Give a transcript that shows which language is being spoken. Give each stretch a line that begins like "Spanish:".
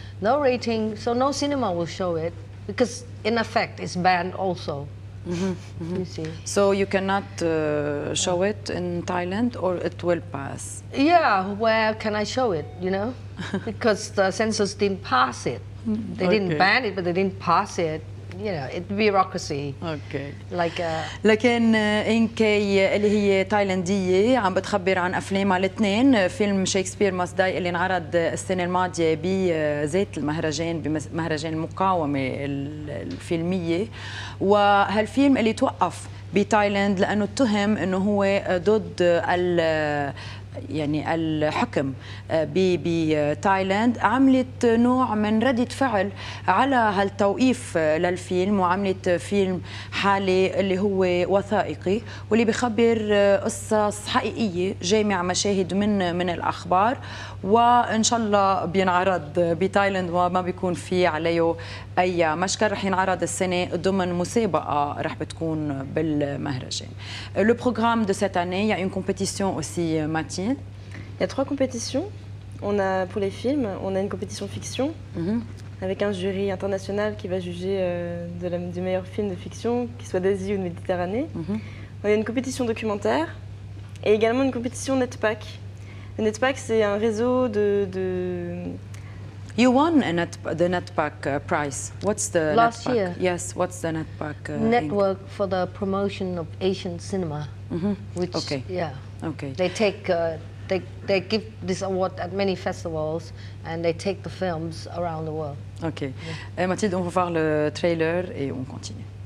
English: No rating, so no cinema will show it because, in effect, it's banned also. Mm-hmm. Mm-hmm. You see. So you cannot show it in Thailand or it will pass? Yeah, where can I show it, you know? Because the censors didn't pass it. They okay. didn't ban it, but they didn't pass it. You know, it's bureaucracy. Okay.
Arabic: لكن إنكي اللي هي تايلندية عم بتخبر عن أفلامها الاثنين فيلم شيكسبير ماست داي اللي انعرض السنة الماضية بزيت المهرجان بمهرجان المقاومة الفيلمية وهالفيلم اللي توقف بتايلند لأنه اتهم إنه هو ضد ال يعني الحكم بتايلاند عملت نوع من ردة فعل على هالتوقيف للفيلم وعملت فيلم حالي اللي هو وثائقي واللي بخبر قصص حقيقية جامع مشاهد من الأخبار وإن شاء الله بينعرض بتايلاند وما بيكون فيه عليه أي مشكل رح ينعرض السنة ضمن مسابقة رح بتكون بالمهرجان.
French: Le programme de cette année, il y a une compétition aussi, Mathilde. Il y a trois compétitions. On a pour les films, on a une compétition fiction mm-hmm. avec un jury international qui va juger du meilleur film de fiction, qu'il soit d'Asie ou de Méditerranée. Mm-hmm. On a une compétition documentaire et également une compétition netpack. Le netpack, c'est un réseau de
English: You won the NetPack prize. What's the last NetPack? Year? Yes. What's the NetPack? Network Inc? For the Promotion of Asian Cinema. Mm-hmm. Which, okay. Yeah. Okay. They take they give this award at many festivals and they take the films around the world. OK. Yeah.
French: Mathilde, on va voir le trailer et on continue.